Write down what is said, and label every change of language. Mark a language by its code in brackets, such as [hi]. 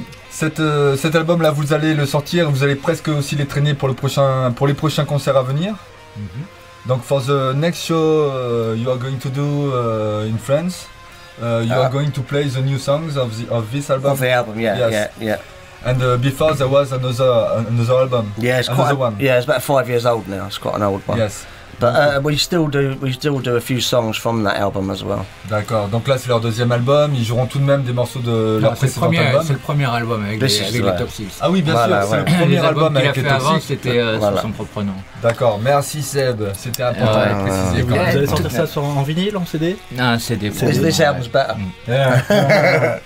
[fr] Cet album là, vous allez le sortir, vous allez presque aussi les traîner pour les prochains concerts à venir. [en] Donc for the next show you are going to do in France, you are going to play the new songs of this album. Of the album, yeah. And before there was another album. Yeah, it's about 5 years old now. It's quite an old one. Yes. But we still do a few songs from that album as well. [fr] D'accord. Donc là, c'est leur deuxième album. Ils joueront tout de même des morceaux de leur précédent album. C'est le premier album avec les Toxics. Ah oui, bien sûr. C'est le premier album avec les Toxics. C'était sur son propre nom. D'accord. Merci Seb. C'était important de préciser. Vous allez sortir ça en vinyle, en CD? Non, CD. [en] This album's better.